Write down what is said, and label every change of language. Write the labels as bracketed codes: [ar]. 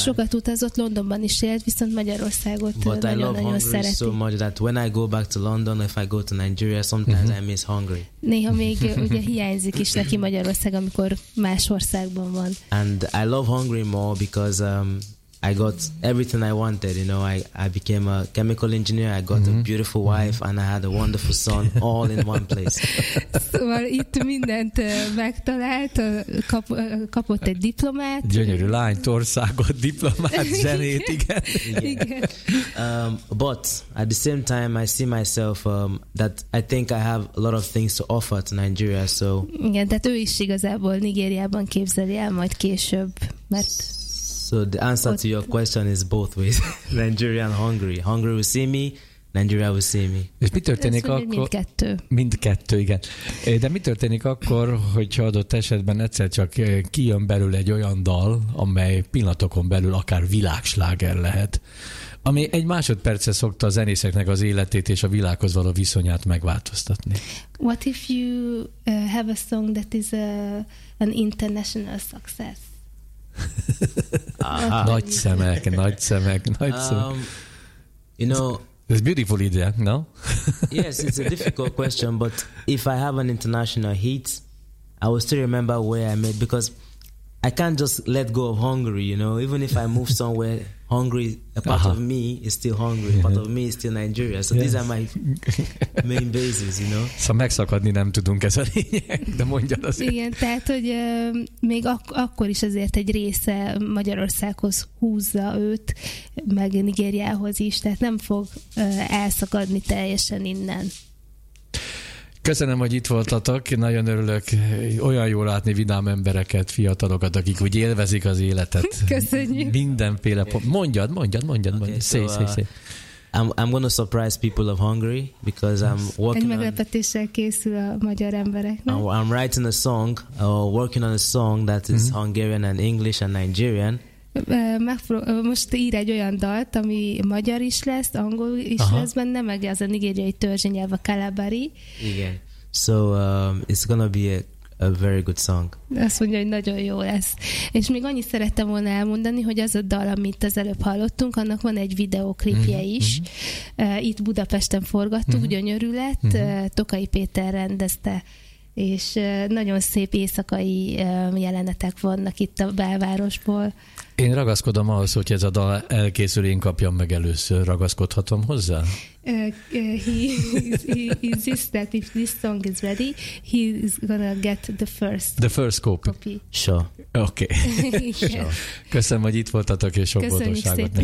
[hu] Sokat utazott, Londonban is élt, viszont Magyarországot nagyon-nagyon szereti. [en] But I love Hungary so much that when I go back to London, if I go to Nigeria, sometimes I miss Hungary. [hu] Néha még ugye hiányzik is neki Magyarország, amikor más országban van. [en] And I love Hungary more because I got everything I wanted, you know. I became a chemical engineer, I got a beautiful wife, and I had a wonderful son, all in one place. [hu] Szóval itt mindent megtalált, kapott egy diplomát. Gyönyörű lányt, országot, diplomát, zenét, igen. [en] But at the same time, I see myself that I think I have a lot of things to offer to Nigeria, so... [hu] Igen, tehát ő is igazából Nigériában képzeli el majd később, mert... [en] So the answer to your question is both ways. Nigeria and Hungary. Hungary will see me, Nigeria will see me. [hu] És mi történik akkor? Mindkettő. Mindkettő, igen. De mi történik akkor, hogyha adott esetben egyszer csak kijön belül egy olyan dal, amely pillanatokon belül akár világsláger lehet, ami egy másodperce szokta a zenészeknek az életét és a világhoz való viszonyát megváltoztatni. [en] What if you have a song that is an international success? [hu] nagy szemek. [en] You know, it's beautiful idea, no? Yes, it's a difficult question, but if I have an international hit, I will still remember where I made, because I can't just let go of Hungary, you know. Even if I move somewhere, Hungary, a part of me is still Hungary, part of me is still Nigeria. So these are my main bases, you know. [hu] Szóval megszakadni nem tudunk, ez a lényeg, de mondjad azért. Igen, tehát, hogy még akkor is azért egy része Magyarországhoz húzza őt, meg Nigériához is, tehát nem fog elszakadni teljesen innen. Köszönöm, hogy itt voltatok. Nagyon örülök, olyan jó látni vidám embereket, fiatalokat, akik úgy élvezik az életet. Köszönjük. Mindenféle. Mondjad. Szé. [en] I'm going to surprise people of Hungary because I'm working [hu] on... Egy meglepetéssel készül a magyar embereknek. [en] I'm writing a song, working on a song that is Hungarian and English and Nigerian. [hu] Most ír egy olyan dalt, ami magyar is lesz, angol is lesz benne, meg az a nigériai törzsi nyelv, a kalabari. Igen. [en] So it's gonna be a very good song. [hu] Azt mondja, hogy nagyon jó lesz. És még annyit szerettem volna elmondani, hogy az a dal, amit az előbb hallottunk, annak van egy videóklipje is. Itt Budapesten forgattuk, gyönyörű lett. Tokai Péter rendezte, és nagyon szép éjszakai jelenetek vannak itt a belvárosból. Én ragaszkodom ahhoz, hogy ez a dal elkészül, én kapjam meg először, ragaszkodhatom hozzá? [en] He insists that if this song is ready, he's gonna get the first copy. Sure. Okay. Sure. [hu] Köszönöm, hogy itt voltatok, és sok boldogságot nektek.